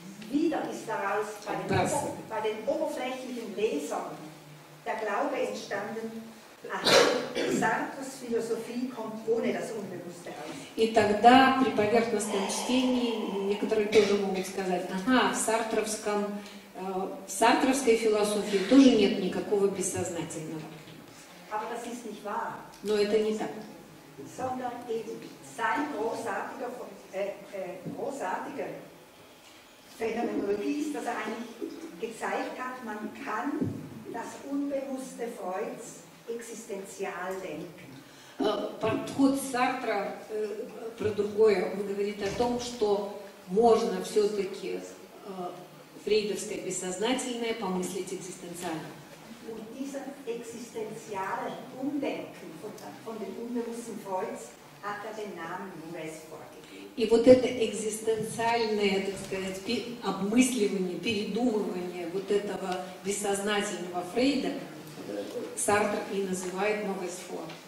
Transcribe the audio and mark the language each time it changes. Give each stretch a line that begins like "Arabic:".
German: Wieder ist daraus bei den oberflächlichen Lesern der Glaube entstanden, Sartres Philosophie kommt ohne das Unbewusste aus.
Russian: И тогда при поверхностном чтении некоторые тоже могут сказать, в сартровской философии тоже нет никакого бессознательного.
German: Aber das ist nicht wahr.
Russian: Но это не так.
German: Sondern eben sein großartiger Phänomenologie ist, dass er eigentlich gezeigt hat, man kann das unbewusste Freuds existenzial denken.
Russian: Подход Сартра про другое. Он говорит о том, что можно все-таки фрейдовское бессознательное помыслить экзистенциально.
German: Und dieser existenziale Umdenken von dem unbewussten Freuds hat er den Namen Movesfor.
Russian: И вот это экзистенциальное, так сказать, обмысливание, передумывание вот этого бессознательного Фрейда Сартр и называет Мовес-Фуа.